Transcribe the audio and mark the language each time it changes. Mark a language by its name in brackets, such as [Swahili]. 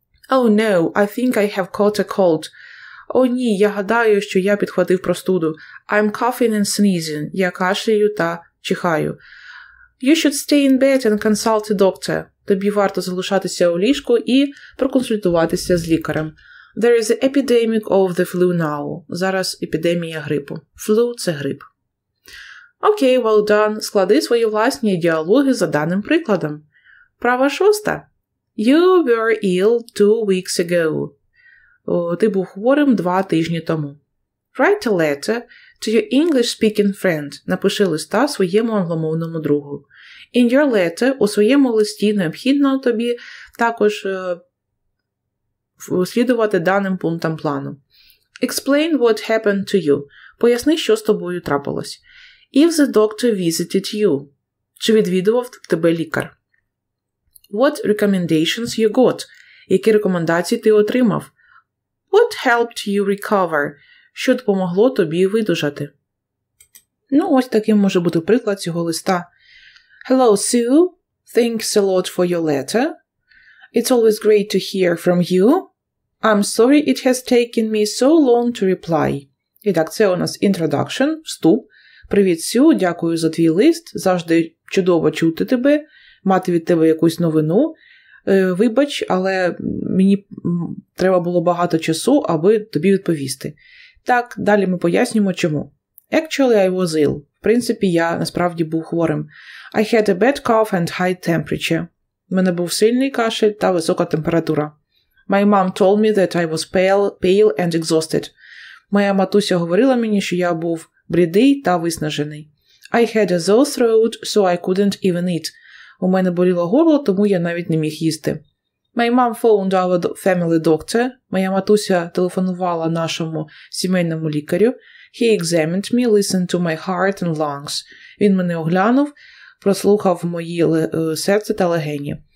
[English] Oh, no, I think I have caught a cold. [Ukrainian] О, ні, я гадаю, що я підхватив простуду. [English] I'm coughing and sneezing. [Ukrainian] Я кашляю та чихаю. [English] You should stay in bed and consult a doctor. [Ukrainian] Тобі варто залишатися у ліжку і проконсультуватися з лікарем. [English] There is an epidemic of the flu now. [Ukrainian] Зараз епідемія грипу. Flu – це грип. [English] Okay, well done. [Ukrainian] Склади свої власні діалоги за даним прикладом. Права шоста. [English] You were ill 2 weeks ago. [Ukrainian] Ти був хворим 2 тижні тому. [English] Write a letter to your English-speaking friend. [Ukrainian] Напиши листа своєму англомовному другу. [English] In your letter, [Ukrainian] у своєму листі необхідно тобі також слідувати даним пунктам плану. [English] Explain what happened to you. [Ukrainian] Поясни, що з тобою трапилось. [English] If the doctor visited you. [Ukrainian] Чи відвідував тебе лікар? [English] What recommendations you got? [Ukrainian] Які рекомендації ти отримав? [English] What helped you recover? [Ukrainian] Що допомогло тобі видужати? Ну, ось таким може бути приклад цього листа. [English] Hello, Sue. Thanks a lot for your letter. It's always great to hear from you. I'm sorry it has taken me so long to reply. [Ukrainian] І так, це у нас introduction, вступ. Привіт, Сю, дякую за твій лист. Завжди чудово чути тебе, мати від тебе якусь новину. Вибач, але мені треба було багато часу, аби тобі відповісти. Так, далі ми пояснюємо, чому. [English] Actually, I was ill. [Ukrainian] В принципі, я насправді був хворим. [English] I had a bad cough and high temperature. [Ukrainian] У мене був сильний кашель та висока температура. [English] My mom told me that I was pale and exhausted. [Ukrainian] Моя матуся говорила мені, що я був блідий та виснажений. [English] I had a sore throat, so I couldn't even eat. [Ukrainian] У мене боліло горло, тому я навіть не міг їсти. [English] My mom phoned our family doctor. [Ukrainian] Моя матуся телефонувала нашому сімейному лікарю. [English] He examined me, listened to my heart and lungs. [Ukrainian] Він мене оглянув, прослухав мої серце та легені.